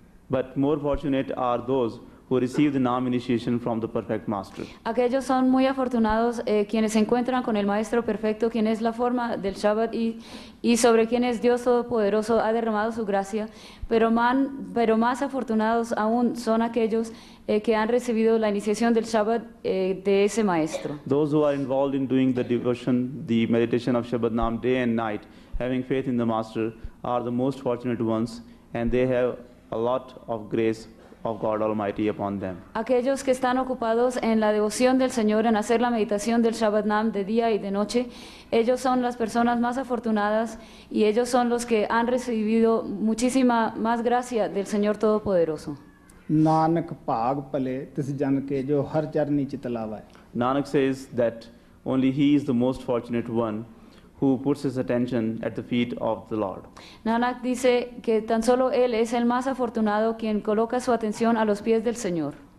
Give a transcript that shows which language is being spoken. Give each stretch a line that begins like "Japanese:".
English: But more fortunate are those who receive the Nam initiation from the perfect master.
Spanish: Aquellos son muy afortunados quienes se encuentran con el maestro perfecto, quien es la forma del Shabbat y sobre quienes Dios Todopoderoso ha derramado su gracia, pero más afortunados aún son aquellos que han recibido la iniciación del Shabbat de ese maestro.
English: Those who are involved in doing the devotion, the meditation of Shabbat Nam day and night, having faith in the master, are the most fortunate ones and they have a lot of grace of God Almighty upon them.
Spanish: Aquellos que están ocupados en la devoción del Señor, en hacer la meditación del Shabbat Nam de día y de noche, ellos son las personas más afortunadas y ellos son los que han recibido muchísima más gracia del Señor Todopoderoso.
Punjabi: Nanak bhag pale tis jan ke jo har charni chit laavai.
English: Nanak says that only he is the most fortunate one who puts his attention at the feet of the Lord.
Spanish: Nanak dice que tan solo él es el más afortunado quien coloca su atención a los pies del Señor.